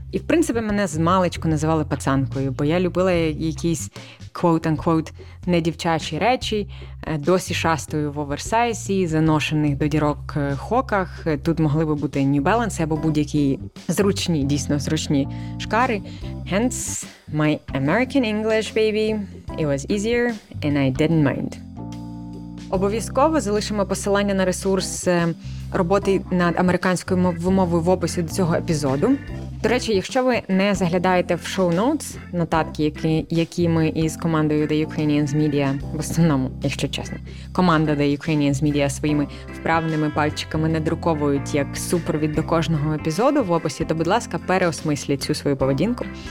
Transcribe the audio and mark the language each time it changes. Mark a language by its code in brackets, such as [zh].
[uk] І, в принципі, мене з маличку називали пацанкою, бо я любила якісь, [en] quote-unquote, [uk] недівчачі речі. Досі шастую в оверсайзі, заношених до дірок хоках. Тут могли би бути New Balance або будь-які зручні, дійсно зручні шкари. [en] Hence, my American English, baby. It was easier and I didn't mind. [uk] Обов'язково залишимо посилання на ресурс роботи над американською вимовою в описі до цього епізоду. До речі, якщо ви не заглядаєте в шоу-ноутс, нотатки, які ми із командою The Ukrainians Media, в основному, якщо чесно, команда The Ukrainians Media своїми вправними пальчиками надруковують як супровід до кожного епізоду в описі, то, будь ласка, переосмисліть цю свою поведінку.